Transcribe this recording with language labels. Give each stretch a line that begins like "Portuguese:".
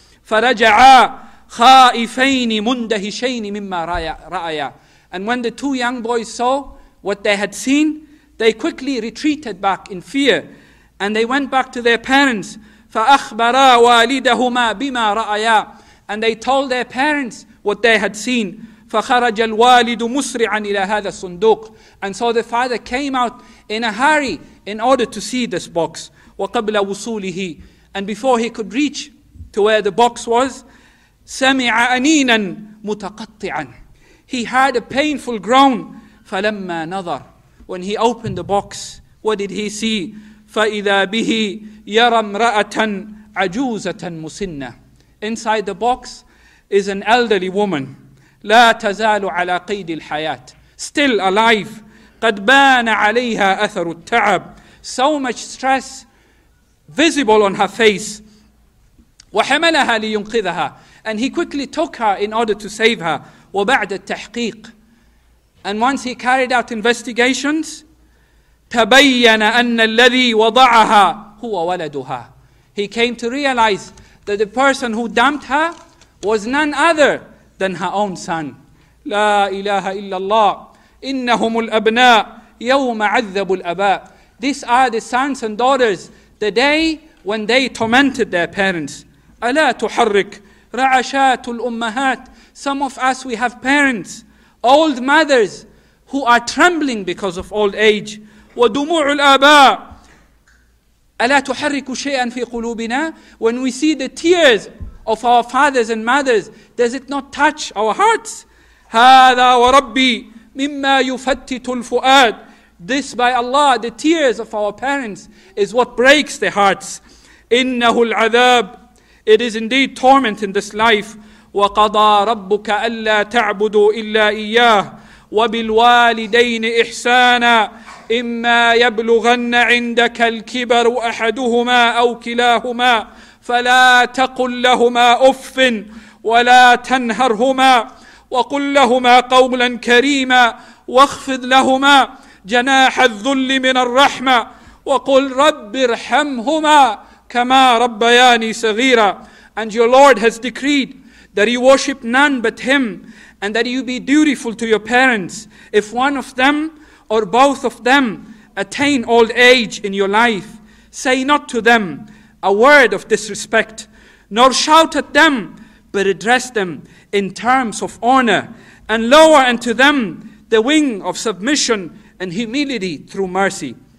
Arabic: فَرَجَعَا خَائِفَيْنِ مُنْدَهِشَيْنِ مِمَّا رَأَيَا.
English: And when the two young boys saw what they had seen, they quickly retreated back in fear. And they went back to their parents.
Arabic: فَأَخْبَرَا وَالِدَهُمَا بِمَا رَأَيَا.
English: And they told their parents what they had seen.
Arabic: فَخَرَجَ الْوَالِدُ مُسْرِعًا إِلَى هَذَا الصُّنْدُوقِ.
English: And so the father came out in a hurry in order to see this box.
Arabic: وَقَبْلَ وُصُولِهِ.
English: And before he could reach to where the box was,
Arabic: سَمِعَ أَنِينًا مُتَقَطِّعًا.
English: He heard a painful groan.
Arabic: فَلَمَّا نَظَرْ.
English: When he opened the box, what did he see?
Arabic: فَإِذَا بِهِ يَرَى امْرَأَةً عَجُوزَةً مُسِنَّةً.
English: Inside the box is an elderly woman.
Arabic: لا تزال على قيد الحياة.
English: Still alive.
Arabic: قد بان عليها أثر التعب.
English: So much stress visible on her face.
Arabic: وحملها لينقذها.
English: And he quickly took her in order to save her.
Arabic: وبعد التحقيق.
English: And once he carried out investigations,
Arabic: تبين أن الذي وضعها هو ولدها.
English: He came to realize that the person who dumped her was none other than her own son.
Arabic: لا إله إلا الله. إنهم الأبناء يوم عذب الأباء.
English: These are the sons and daughters the day when they tormented their parents.
Arabic: ألا تحرك رعشات الأمهات.
English: Some of us, we have parents, old mothers who are trembling because of old age.
Arabic: ودموع الأباء. ألا تحرك شيئا في قلوبنا.
English: When we see the tears of our fathers and mothers, does it not touch our hearts?
Arabic: هذا وربي مما يفتت الفؤاد.
English: This by Allah, the tears of our parents is what breaks their hearts.
Arabic: إنه العذاب.
English: It is indeed torment in this life.
Arabic: وقضى ربك ألا تعبدوا إلا إياه وبالوالدين إحسانا إما يبلغن عندك الكبر أحدهما أو كلاهما فلا تقل لهما أف ولا تنهرهما وقل لهما قولا كريما واخفض لهما جناح الذل من الرحمة وقل رب ارحمهما كما ربياني صغيرا.
English: And your Lord has decreed that you worship none but him and that you be dutiful to your parents. If one of them or both of them attain old age in your life, say not to them a word of disrespect, nor shout at them, but address them in terms of honor, and lower unto them the wing of submission and humility through mercy.